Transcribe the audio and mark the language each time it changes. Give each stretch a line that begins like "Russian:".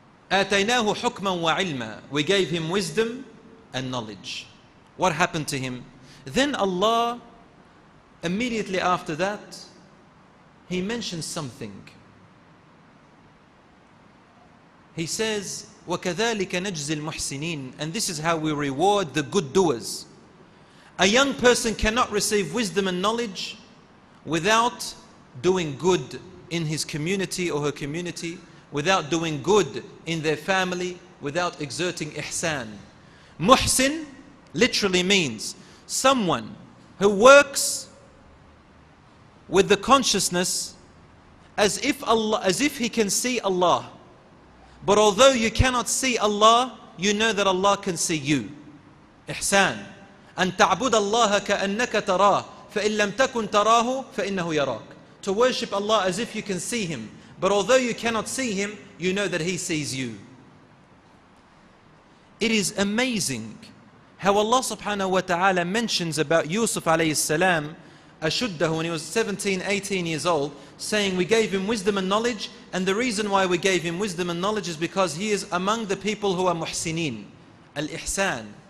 Arabic: آتَيْنَاهُ حُكْمًا وَعِلْمًا.
English: We gave him wisdom and knowledge. What happened to him? Then Allah, immediately after that, he mentions something. He says,
Arabic: وَكَذَلِكَ نَجْزِي الْمُحْسِنِينَ.
English: And this is how we reward the good doers. A young person cannot receive wisdom and knowledge without doing good in his community or her community, without doing good in their family, without exerting ihsan. Muhsin literally means someone who works with the consciousness as if Allah, as if he can see Allah. But although you cannot see Allah, you know that Allah can see you. Ihsan.
Arabic: أن تعبد الله كأنك تراه فإن لم تكن تراه فإنه يراك.
English: To worship Allah as if you can see him. But although you cannot see him, you know that he sees you. It is amazing how Allah subhanahu wa ta'ala mentions about Yusuf alayhi salam, ashuddahu, when he was 17, 18 years old, saying we gave him wisdom and knowledge, and the reason why we gave him wisdom and knowledge is because he is among the people who are muhsineen, al-ihsan.